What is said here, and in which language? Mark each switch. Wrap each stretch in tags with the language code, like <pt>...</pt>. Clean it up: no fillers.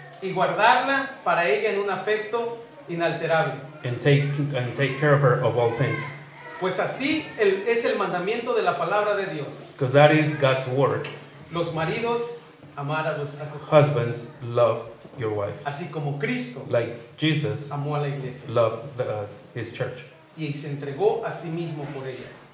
<es>y guardarla para ella en un afecto inalterable,</es> <en>and take care of her of all things.</en> <es>Pues así es el mandamiento de la palabra de Dios.</es> <en>Because that is God's word.</en> <es>Los maridos, amar a vuestras esposas.</es> <en>Husbands, love your wife.</en> <es>Así como Cristo,</es> <en>like Jesus,</en> <es>amó a la iglesia,</es> <en>loved his church.</en> <es>Y se entregó a sí mismo por ella.</es>